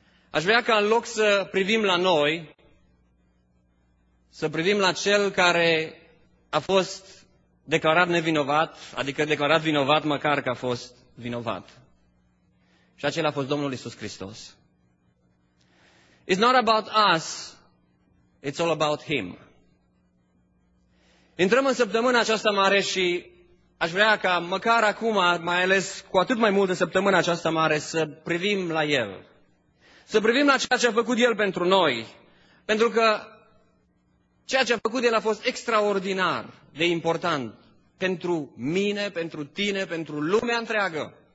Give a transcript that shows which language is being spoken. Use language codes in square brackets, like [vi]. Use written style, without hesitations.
[ro] Aș vrea ca în loc să privim la noi, să privim la cel care a fost declarat nevinovat, adică declarat vinovat măcar că a fost vinovat. Și acela a fost Domnul Iisus Hristos. [en] It's not about us, it's all about Him. [ro] Intrăm în săptămâna aceasta mare și aș vrea ca măcar acum, mai ales cu atât mai mult în săptămâna aceasta mare, să privim la El. Să privim la ceea ce a făcut El pentru noi. Pentru că ceea ce a făcut El a fost extraordinar de important pentru mine, pentru tine, pentru lumea întreagă.